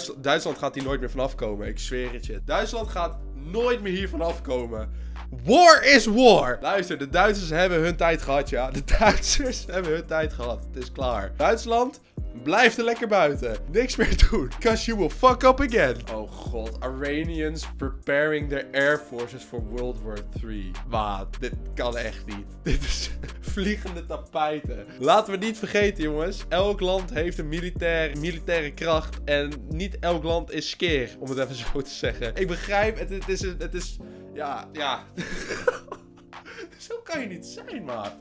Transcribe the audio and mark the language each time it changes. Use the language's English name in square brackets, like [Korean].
[Dutch] Duitsland gaat hier nooit meer vanaf komen. Ik zweer het je. Duitsland gaat nooit meer hier vanaf komen. [English] War is war. [Dutch] Luister, de Duitsers hebben hun tijd gehad, ja. De Duitsers hebben hun tijd gehad. Het is klaar. Duitsland, blijf er lekker buiten. Niks meer doen. [English] Cause you will fuck up again. Oh god. Iranians preparing their air forces for World War 3. [Dutch] Wat? Dit kan echt niet. Dit is vliegende tapijten. Laten we niet vergeten, jongens. Elk land heeft een militaire kracht. En niet elk land is skeer. Om het even zo te zeggen. Ik begrijp. Het is... Ja, ja. Zo kan je niet zijn, maat.